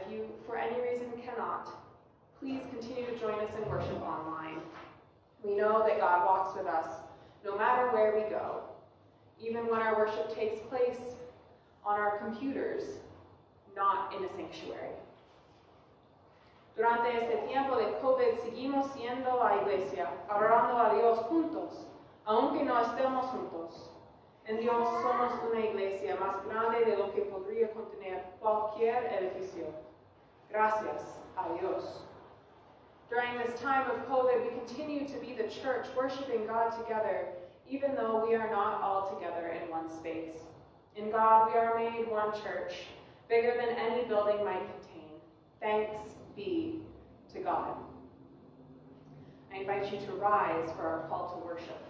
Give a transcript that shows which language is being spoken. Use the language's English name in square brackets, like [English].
[English] If you, for any reason, cannot, please continue to join us in worship online. We know that God walks with us no matter where we go. Even when our worship takes place on our computers, not in a sanctuary. [Spanish] Durante este tiempo de COVID, seguimos siendo la iglesia, adorando a Dios juntos, aunque no estemos juntos. En Dios somos una iglesia más grande de lo que podría contener cualquier edificio. Gracias a Dios. [English] During this time of COVID, we continue to be the church worshiping God together, even though we are not all together in one space. In God, we are made one church, bigger than any building might contain. Thanks be to God. I invite you to rise for our call to worship.